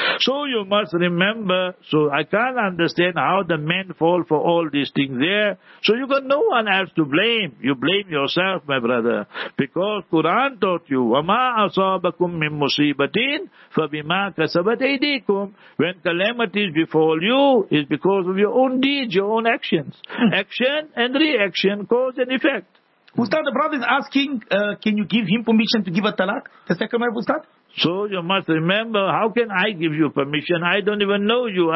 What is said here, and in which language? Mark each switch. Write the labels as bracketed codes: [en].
[en] So you must remember, so I can't understand how the men fall for all these things there. So you got no one else to blame. You blame yourself, my brother. Because Quran taught you, [ar] وَمَا أَصَابَكُم مِّن مُصِيبَةٍ فَبِمَا كَسَبَتْ أَيْدِيكُمْ. [en] When calamities befall you, it's because of your own deeds, your own actions. Action and reaction, cause and effect. Ustad, the brother is asking, can you give him permission to give a talaq, the second wife, Ustad? So you must remember, how can I give you permission? I don't even know you.